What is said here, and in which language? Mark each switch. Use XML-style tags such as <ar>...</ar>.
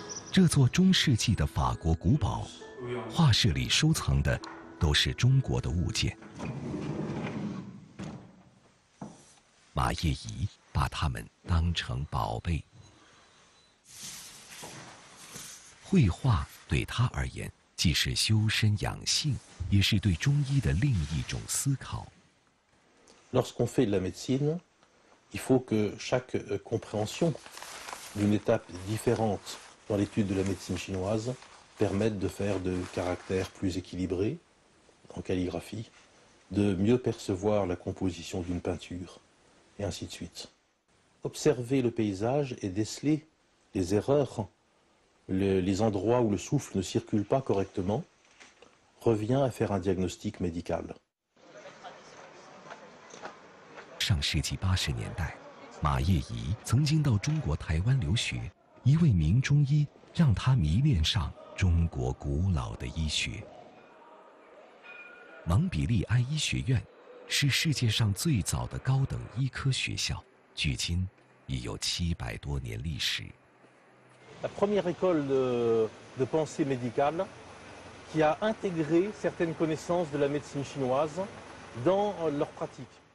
<zh>这座中世纪的法国古堡画室里收藏的都是中国的物件，马叶仪把它们当成宝贝。绘画对他而言既是修身养性，也是对中医的另一种思考。</zh> <fr>Lorsqu'on fait de la médecine, il faut que chaque compréhension d'une étape différenteDans l'étude de la médecine chinoise, permettent de faire de caractères plus équilibrés en calligraphie, de mieux percevoir la composition d'une peinture, et ainsi de suite. Observer le paysage et déceler les erreurs, les endroits où le souffle ne circule pas correctement, revient à faire un diagnostic médical.</fr> <zh>上世纪八十年代，马叶仪曾经到中国台湾留学。一位名中医让他迷恋上中国古老的医学。蒙彼利埃医学院是世界上最早的高等医科学校，距今已有700多年历史。</zh> <fr>La première école de pensée médicale qui a intégré certaines connaissances de la médecine chinoise dans leur pratique.</fr>